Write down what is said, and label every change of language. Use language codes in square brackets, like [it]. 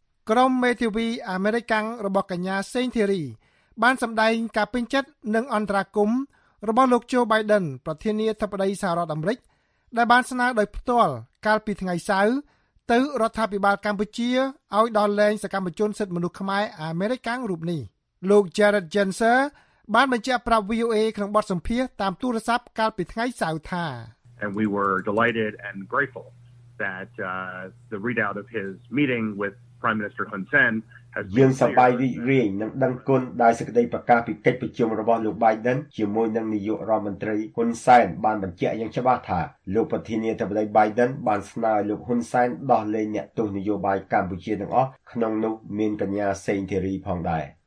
[km] ក្រុមមេធាវីអាមេរិកាំងរបស់កញ្ញាសេងធីរីបានសម្ដែងការពេញចិត្តនឹងអន្តរាគមន៍របស់លោកជូបៃដិនប្រធានាធិបតីសហរដ្ឋអាមេរិកដែលបានស្នើដោយផ្ទាល់កាលពីថ្ងៃសៅរ៍ទៅរដ្ឋាភិបាលកម្ពុជាឲ្យដោះលែងសកម្មជនសិទ្ធិមនុស្សខ្មែរអាមេរិកាំងរូបនេះលោក Jared Jenser បានបញ្ជាក់ប្រាប់ VOA ក្នុងបទសម្ភាសន៍តាមទូរស័ព្ទកាលពីថ្ងៃសៅរ៍ថា [en] And we were delighted and grateful that the readout of his meeting with Prime Minister Hun Sen [km] យើងសប្បាយរីករាយនឹងដឹងគុណដែលសេចក្តីប្រកាសពីកិច្ចប្រជុំរបស់លោក Biden ជាមួយនឹងនាយករដ្ឋមន្ត្រីហ៊ុនសែនបានបញ្ជាក់យ៉ាងច្បាស់ថាលោកប្រធានាធិបតី Biden បានស្នើឲ្យលោកហ៊ុនសែនដោះលែងអ្នកទោសនយោបាយកម្ពុជាទាំងអស់ក្នុងនោះមានកញ្ញាសេងធីរីផងដែរ